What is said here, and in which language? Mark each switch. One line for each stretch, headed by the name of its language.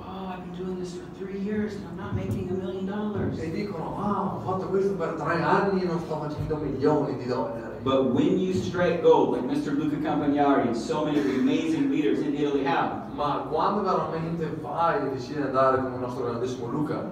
English: I've been doing this for 3 years and I'm not making $1 million.
Italian: E dicono, ho fatto questo per 3 anni e non sto facendo milioni di dollari.
English: But when you strike gold, like Mr. Luca Campagnari and so many of the amazing leaders in Italy have,
Italian: ma quando veramente vai e decidi di andare come il nostro grandissimo Luca,